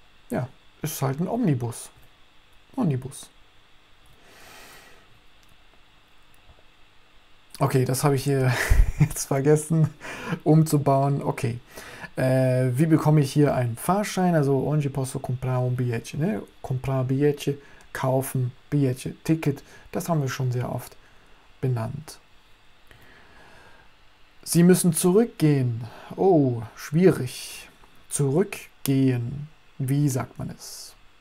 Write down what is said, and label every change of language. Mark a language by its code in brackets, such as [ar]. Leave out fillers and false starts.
[de] Ja, ist halt ein Omnibus. Omnibus. Okay, das habe ich hier jetzt vergessen umzubauen. Okay. Wie bekomme ich hier einen Fahrschein? [pt] Also, onde posso comprar um bilhete, ne? Comprar bilhete. [de] Kaufen, Billette, Ticket, das haben wir schon sehr oft benannt. Sie müssen zurückgehen. Oh, schwierig. Zurückgehen. Wie sagt man es?